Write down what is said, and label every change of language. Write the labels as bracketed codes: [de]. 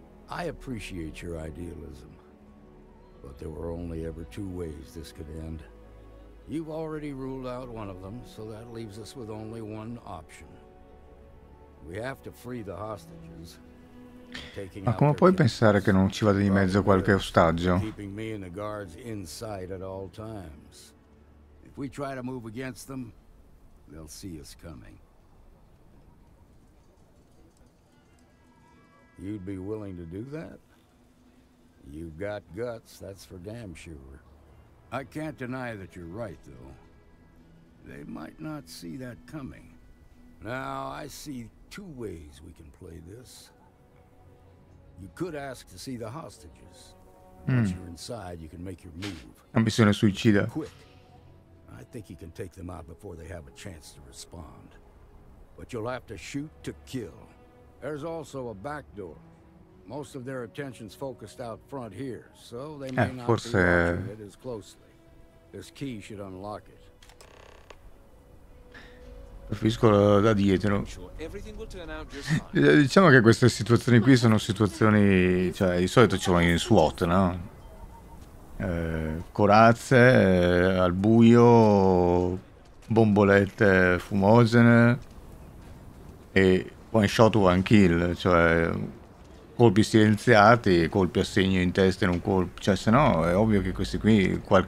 [en] I appreciate your idealism, but there were only ever two ways this could end. You've already ruled out one of them, so that leaves us with only one option. We have to free the hostages. [it] Ma come puoi pensare che non ci vada di mezzo qualche ostaggio? [en] Keeping me and the guards inside at all times. If we try to move against them, they'll see us coming. You'd be willing to do that? You've got guts, that's for damn sure. I can't deny that you're right, though. They might not see that coming. Now, I see two ways we can play this. You could ask to see the hostages. Once you're inside, you can make your move. [it] Ambizione suicida. [en] Quick. I think you can take them out before they have a chance to respond. But you'll have to shoot to kill. There's also a back door. Most of their attention's focused out front here, so they may not [it] forse... [en] be watching it as closely. This key should unlock it. [it] Capisco da dietro. Diciamo che queste situazioni qui sono situazioni, cioè di solito ci vogliono in SWAT, no? Corazze al buio, bombolette fumogene e [en] one shot one kill, [it] cioè colpi silenziati, colpi a segno in testa in un colpo, cioè se no è ovvio che questi qui